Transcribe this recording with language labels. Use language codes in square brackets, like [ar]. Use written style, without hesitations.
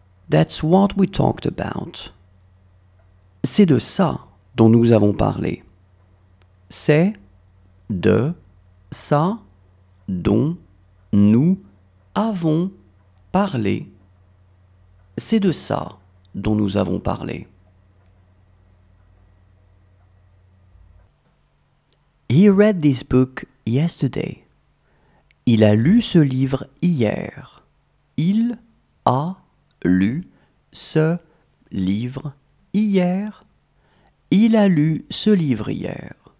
[en] That's what we talked about. [fr] C'est de ça dont nous avons parlé. C'est de ça dont nous avons parlé. C'est de ça dont nous avons parlé. [en] He read this book yesterday. [fr] Il a lu ce livre hier. Il a lu ce livre hier. Il a lu ce livre hier.